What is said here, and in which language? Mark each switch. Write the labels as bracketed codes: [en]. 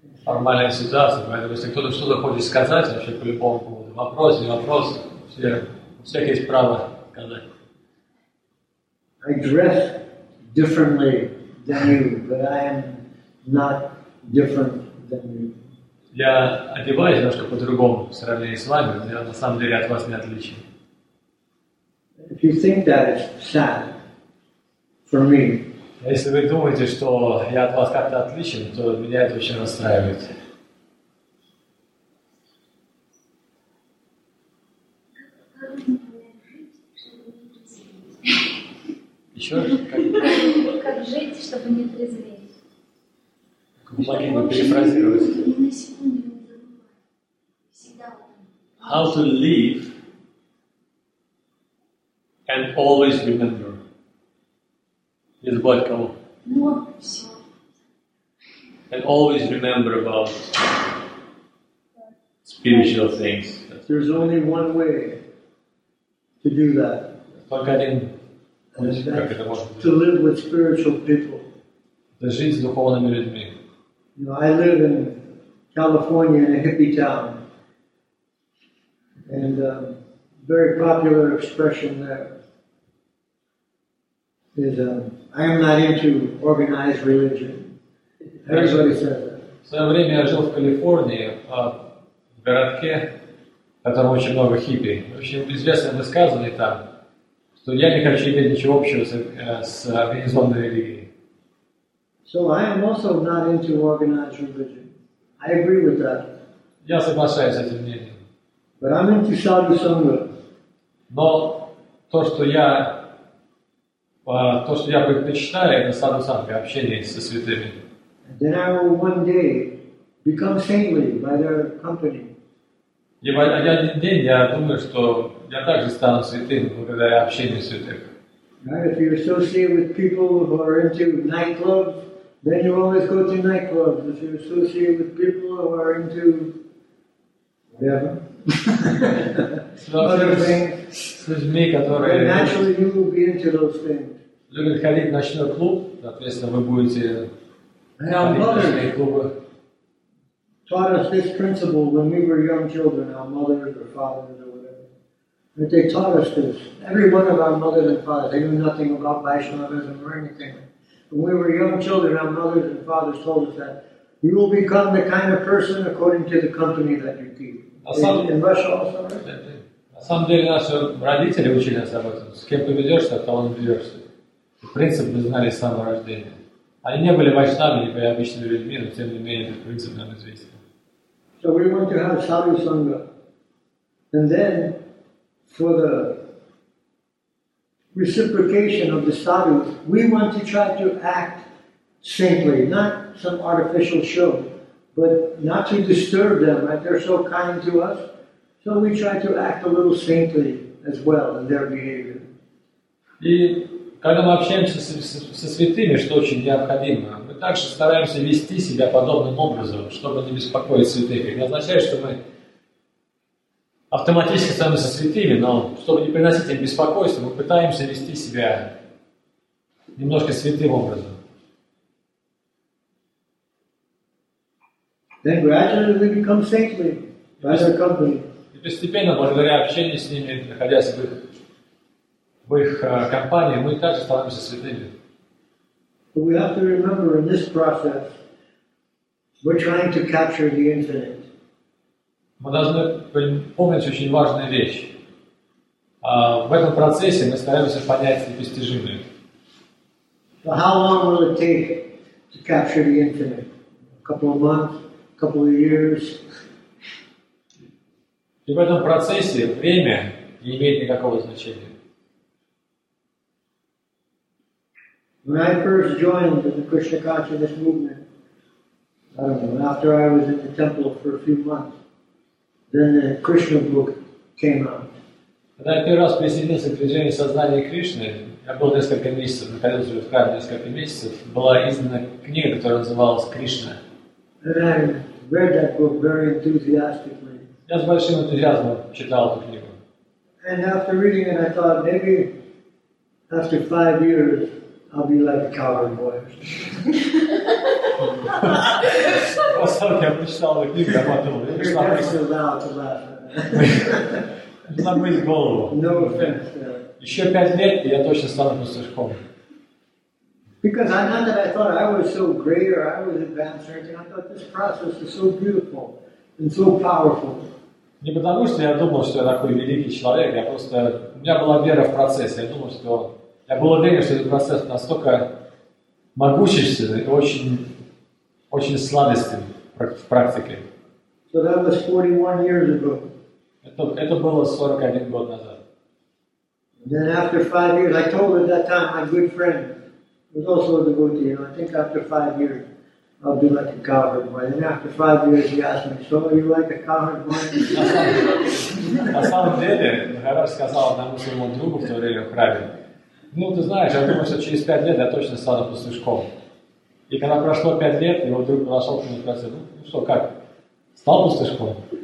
[ru] Формальная ситуация, поэтому если кто-то что-то хочет сказать, вообще по любому поводу, вопрос, не вопрос, всех есть право сказать. [en] I dress differently than you, but I am not different than you. [ru] Я одеваюсь немножко по-другому в сравнении с вами, но я на самом деле от вас не отличен. [en] If you think that it's sad for me, [ru] если вы думаете, что я от вас как-то отличен, то меня это очень расстраивает. Еще как жить, чтобы не трезветь? Как могу перефразировать? [en] How to live? And always remember. [ru] Не забывать кого? Ну, все. [en] And always remember about spiritual things. There's only one way to do that. [ru] Только один. [en] To live with spiritual people. [ru] Это жить с духовными людьми. [en] You know, I live in California in a hippie town. And a very popular expression there. I am not into organized religion. Everybody said that. [ru] В свое время я жил в Калифорнии, в городке, которого очень много хиппи. В общем, известное высказывание там, что я не хочу иметь ничего общего с организованной религией. [en] So I am also not into organized religion. I agree with that. [ru] Я соглашаюсь с этим мнением. [en] But I'm into Sadhu Sangha. [ru] Но то, что я то, что я предпочитаю, это саду-санга, общение со святыми. [en] Then I will one day become saintly by their company. [ru] И один день я думаю, что я также стану святым благодаря общению святых. [en] Right, if you associate with people who are into nightclubs, then you always go to nightclubs. If you associate with people who are into whatever, other things, [ru] которые... [en] then naturally you will be into those things. [ru] Любит ходить в ночной клуб, соответственно, вы будете [en] taught us this principle when we were young children, our mothers or fathers or whatever. But they taught us this. Every one of our mothers and fathers, they knew nothing about Vaishnavism or anything. When we were young children, our mothers and fathers told us that you will become the kind of person according to the company that you keep. In Russia also, right? [ru] На самом деле, наши родители учили нас об этом. С кем поведешься, то он ведешься. Принцип мы знали с самого рождения. Они не были вайшнавами, не были обычными людьми, но тем не менее этот принцип нам известен. [en] So we want to have a Sadhu Sangha. And then, for the reciprocation of the Sadhu, we want to try to act saintly, not some artificial show, but not to disturb them, right? They're so kind to us. So we try to act a little saintly as well in their behavior. [ru] И когда мы общаемся со святыми, что очень необходимо, мы также стараемся вести себя подобным образом, чтобы не беспокоить святых. Это не означает, что мы автоматически становимся святыми, но чтобы не приносить им беспокойство, мы пытаемся вести себя немножко святым образом. [en] Then gradually we become saintly by their company. [ru] И постепенно, благодаря общению с ними, находясь в их компании, мы также становимся святыми. [en] But we have to remember in this process, we're trying to capture the infinite. [ru] Мы должны помнить очень важную вещь. В этом процессе мы стараемся понять непостижимое. [en] So how long will it take to capture the infinite? A couple of months? A couple of years? [ru] И в этом процессе время не имеет никакого значения. [en] When I first joined the Krishna Consciousness Movement, I don't know, after I was in the temple for a few months, then the Krishna book came out. [ru] Когда я первый раз присоединился к движению сознания Кришны, я был несколько месяцев, находился уже в храме несколько месяцев, была издана книга, которая называлась «Кришна». [en] And I read that book very enthusiastically. [ru] Я с большим энтузиазмом читал эту книгу. [en] And after reading it, I thought maybe after 5 years I'll be like a cowherd boy. [ru] Я прочитал эту книгу, я подумал, я не знаю. Забыть голову. [en] No offense. [ru] Еще 5 лет и я точно стану пастушком. [en] Because I know that I thought I was so great or I was advanced or anything, I thought this process is so beautiful and so powerful. [ru] Не потому, что я думал, что я такой великий человек, я просто... У меня была вера в процесс, я думал, что... Я был уверен, что этот процесс настолько могущественный и очень, очень сладостный в практике. [en] So that was 41 years ago. [ru] Это было 41 год назад. [en] And then after 5 years, I told at that time my good friend, was also a devotee, and I think after 5 years, I'll be like a cowherd boy. And after 5 years, he asked me, so are you like a cowherd boy? [ru] На самом деле, Махарадж сказал одному своему другу в то время в храме, ну, ты знаешь, я думаю, что через 5 лет я точно стану пастушком. И когда прошло 5 лет, его друг подошел к нему и сказал, ну что, как, стал пастушком?